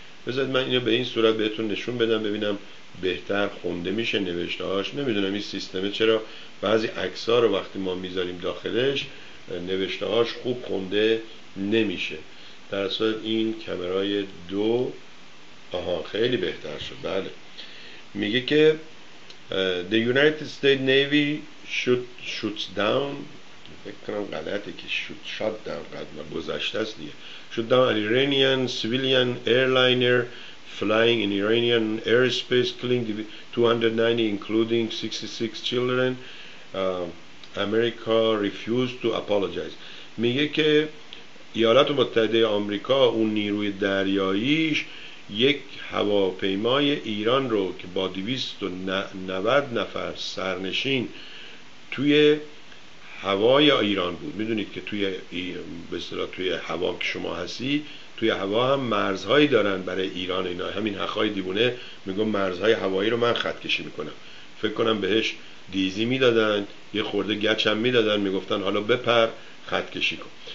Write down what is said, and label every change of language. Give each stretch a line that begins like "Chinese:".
Persian: بذارید من اینو به این صورت بهتون نشون بدم ببینم بهتر خونده میشه نوشته هاش. نمیدونم این سیستمه چرا بعضی عکس ها رو وقتی ما میذاریم داخلش نوشته هاش خوب خونده نمیشه. در اصل این کمرای دو، آها خیلی بهتر شد. بله میگه که
English: The United States Navy shoots down،
Persian: فکر کنم غلطه که
English: shot down
Persian: قدم گذشته است دیگه،
English: shoot down an Iranian civilian airliner flying in Iranian airspace killing 290 including 66 children. America refused to apologize.
Persian: میگه که ایالات متحده آمریکا اون نیروی دریاییش یک هواپیمای ایران رو که با 290 نفر سرنشین توی هوای ایران بود، میدونید که توی به اصطلاح توی هوا که شما هستی توی هوا هم مرزهایی دارن برای ایران، اینا همین حقای دیوونه میگم مرزهای هوایی رو من خط کشی میکنم، فکر کنم بهش دیزی میدادن یه خورده گچم میدادن میگفتن حالا بپر خط کشی کن.